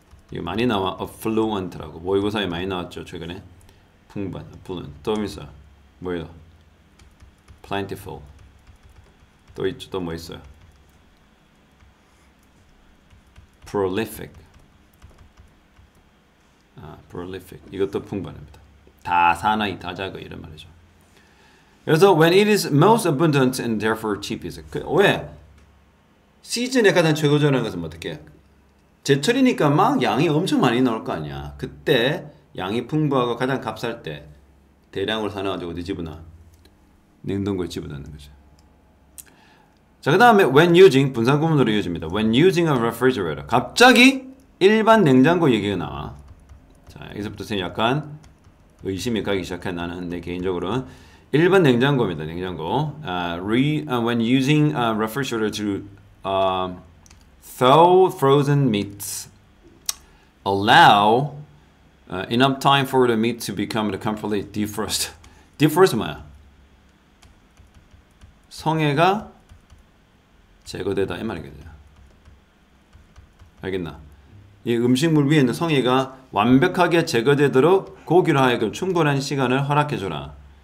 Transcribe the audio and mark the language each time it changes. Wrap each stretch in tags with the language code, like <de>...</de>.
<ko>이거 많이 나와. affluent라고 모의고사에 많이 나왔죠 최근에. 풍부한, affluent. 또 있어. 뭐예요? plentiful. 또 있죠. 또뭐 있어요? prolific. 아, prolific. 이것도 풍부합니다. 다사나이 다자거 이런 말이죠.</ko> <en>그래서 when it is most abundant and therefore cheapest.</en> <ko>그, 왜? 시즌에 가장 최고조라는 것은 어떻게? 제철이니까 막 양이 엄청 많이 나올 거 아니야. 그때 양이 풍부하고 가장 값쌀 때 대량으로 사놔가지고 어디 집어넣어? 냉동고에 집어넣는 거죠. 자, 그 다음에 when using 분산구문으로 이어집니다.</ko> <en>When using a refrigerator,</en> <ko>갑자기 일반 냉장고 얘기가 나와. 자, 여기서부터 약간 의심이 가기 시작해. 나는 내 개인적으로는 일반 냉장고입니다. 냉장고.</ko> <en>When using a refrigerator to thaw frozen meats, allow enough time for the meat to become completely defrost.</en> <ko>Defrost 뭐야? 성애가 제거되다 이 말이겠죠. 알겠나? 이 음식물 위에 있는 성애가 완벽하게 제거되도록 고기로 하여금 충분한 시간을 허락해줘라.</ko>